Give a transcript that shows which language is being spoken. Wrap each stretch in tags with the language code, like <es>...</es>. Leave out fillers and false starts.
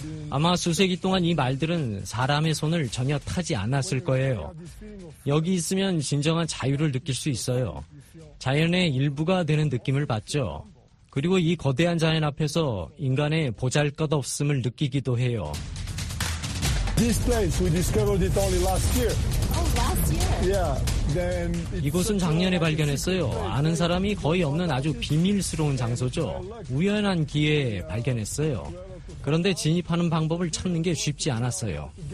<ko>아마 수세기 동안 이 말들은 사람의 손을 전혀 타지 않았을 거예요. 여기 있으면 진정한 자유를 느낄 수 있어요. 자연의 일부가 되는 느낌을 받죠. 그리고 이 거대한 자연 앞에서 인간의 보잘것없음을 느끼기도 해요.</ko> <en>This place, we discovered it only last year. Oh, last year? Yeah.</en> <ko>이곳은 작년에 발견했어요. 아는 사람이 거의 없는 아주 비밀스러운 장소죠. 우연한 기회에 발견했어요. 그런데 진입하는 방법을 찾는 게 쉽지 않았어요.</ko>